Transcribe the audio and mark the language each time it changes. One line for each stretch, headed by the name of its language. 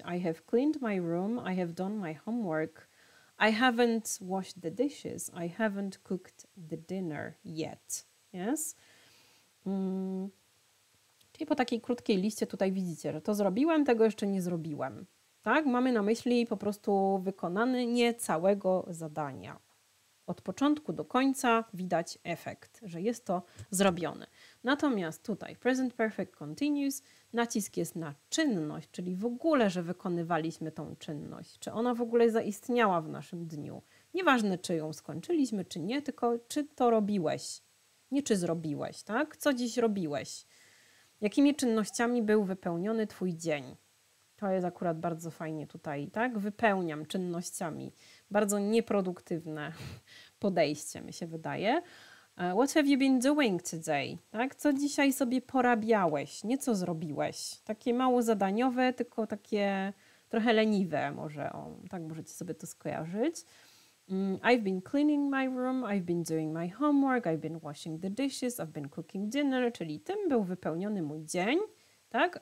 English: I have cleaned my room, I have done my homework. I haven't washed the dishes, I haven't cooked the dinner yet. Yes?
Polish: Czyli po takiej krótkiej liście tutaj widzicie, że to zrobiłem, tego jeszcze nie zrobiłem. Tak? Mamy na myśli po prostu wykonany nie całego zadania. Od początku do końca widać efekt, że jest to zrobione. Natomiast tutaj present perfect continuous, nacisk jest na czynność, czyli w ogóle, że wykonywaliśmy tą czynność, czy ona w ogóle zaistniała w naszym dniu. Nieważne, czy ją skończyliśmy, czy nie, tylko czy to robiłeś, nie czy zrobiłeś, tak? Co dziś robiłeś? Jakimi czynnościami był wypełniony twój dzień? To jest akurat bardzo fajnie tutaj, tak? Wypełniam czynnościami. Bardzo nieproduktywne podejście, mi się wydaje.
English: What have you been doing today?
Polish: Tak? Co dzisiaj sobie porabiałeś? Nieco zrobiłeś? Takie mało zadaniowe, tylko takie trochę leniwe może. O, tak możecie sobie to skojarzyć.
English: I've been cleaning my room, I've been doing my homework, I've been washing the dishes, I've been cooking dinner,
Polish: czyli tym był wypełniony mój dzień. Tak?